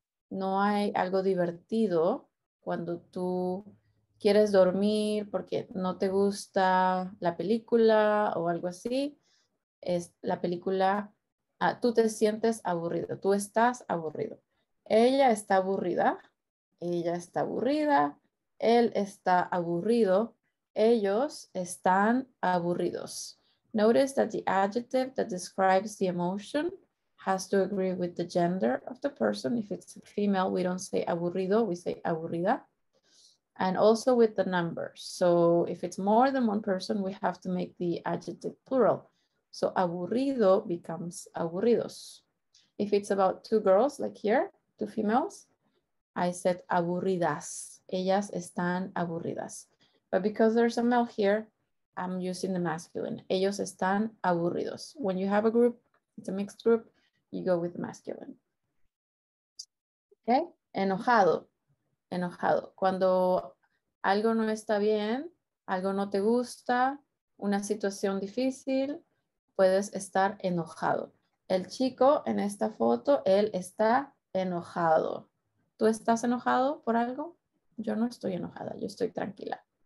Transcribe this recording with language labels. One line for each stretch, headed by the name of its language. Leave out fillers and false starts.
Spanish: no hay algo divertido cuando tú quieres dormir porque no te gusta la película o algo así, es la película, tú te sientes aburrido, tú estás aburrido. Ella está aburrida, ella está aburrida, él está aburrido, ellos están aburridos.
English: Notice that the adjective that describes the emotion has to agree with the gender of the person. If it's a female, we don't say aburrido, we say aburrida. And also with the numbers. So if it's more than one person, we have to make the adjective plural. So aburrido becomes aburridos. If it's about two girls, like here, two females, I said aburridas.
Spanish: Ellas están aburridas.
English: But because there's a male here, I'm using the masculine.
Spanish: Ellos están aburridos.
English: When you have a group, it's a mixed group, you go with the masculine.
Spanish: Okay? Enojado. Enojado. Cuando algo no está bien, algo no te gusta, una situación difícil, puedes estar enojado. El chico en esta foto, él está enojado. ¿Tú estás enojado por algo? Yo no estoy enojada, yo estoy tranquila.